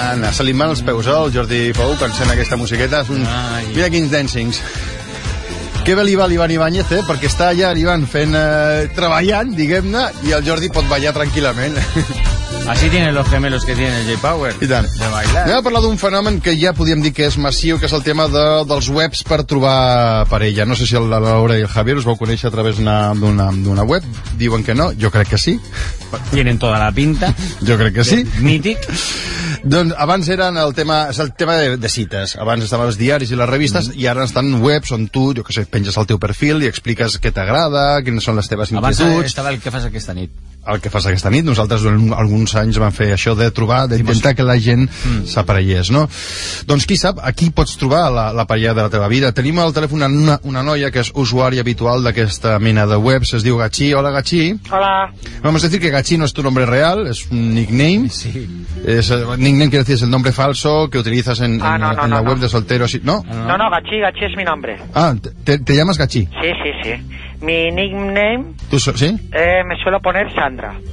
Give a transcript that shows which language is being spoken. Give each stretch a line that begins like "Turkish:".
Catalan: Se li mal els peus, el Jordi Pou, quan sent aquesta musiqueta. Mira quins dancings. Que bé li va l'Ivan Ibáñez, eh? Perquè està allà, l'Ivan, fent... treballant, diguem-ne, i el Jordi pot ballar tranquil·lament.
Spanish: Así tienen los gemelos que tienen J Power.
Catalan: I tant.
Spanish: De bailar.
Catalan: Anem a parlar d'un fenomen que ja podíem dir que és massiu, que és el tema dels webs per trobar parella. No sé si la Laura i el Javier us vau conèixer a través d'una web. Diuen que no, jo crec que sí.
Spanish: Tienen toda la pinta.
Catalan: Jo crec que sí. Mític. Doncs abans eren el tema de cites. Abans estaven els diaris i les revistes, i ara estan webs on tu, jo que sé, penges el teu perfil i expliques què t'agrada, quines són les teves inquietuds. Abans estava el que fas aquesta nit. El que fas aquesta nit. Nosaltres durant alguns anys vam fer això de trobar, d'intentar que la gent s'aparellés, no? Doncs qui sap, aquí pots trobar la parella de la teva vida. Tenim al telèfon una noia que és usuària habitual d'aquesta mena de webs. Es diu Gachi. Hola, Gachi. Hola.
Spanish: Vamos a decir que Gachi no es tu nombre real, es un nickname. Sí. Es, nickname quiere decir es el nombre falso que utilizas en la web de soltero. ¿No? No, no, Gachi es mi nombre. Ah, ¿te llamas Gachi? Sí, sí, sí. Mi nickname... ¿Tú sí? Me suelo poner Sandra.